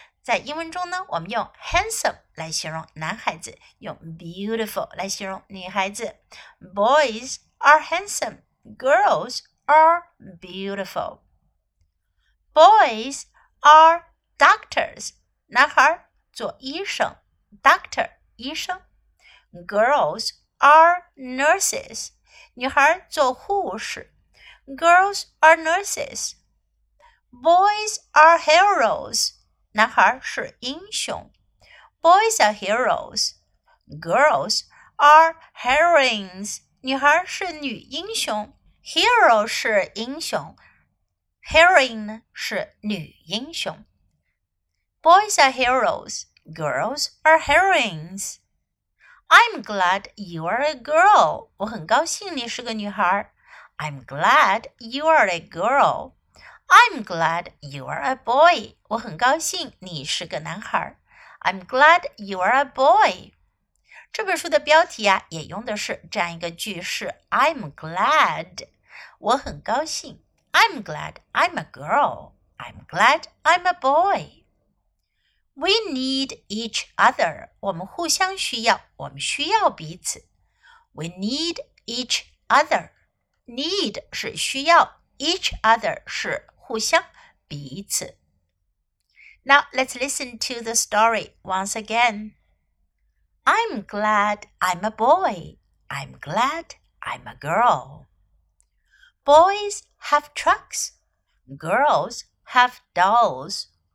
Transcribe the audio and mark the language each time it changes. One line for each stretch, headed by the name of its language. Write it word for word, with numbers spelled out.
Chinese: 在英文中呢，我们用 handsome 来形容男孩子，用 beautiful 来形容女孩子。
English: Boys are handsome. Girls are beautiful. Boys are doctors.
Chinese: 男孩做医生 ，doctor 医生。
English: Girls are nurses.
Chinese: 女孩做护士
English: Girls are nurses. Boys are heroes.
Chinese: 男孩是英雄
English: Boys are heroes. Girls are heroines.
Chinese: 女孩是女英雄 Hero 是英雄 Heroine 是女英雄
English: Boys are heroes. Girls are heroines. I'm glad you are a girl.
Chinese: 我很高兴你是个女孩。
English: I'm glad you are a girl. I'm glad you are a boy.
Chinese: 我很高兴你是个男孩。
English: I'm glad you are a boy.
Chinese: 这本书的标题啊，也用的是这样一个句式
English: I'm glad.
Chinese: 我很高兴。
English: I'm glad I'm a girl. I'm glad I'm a boy. We need each other.
Chinese: 我们互相需要，我们需要彼此。
English: We need each other.
Chinese: Need 是需要 each other 是互相彼此。
English: Now let's listen to the story once again. I'm glad I'm a boy. I'm glad I'm a girl. Boys have trucks. Girls have dolls.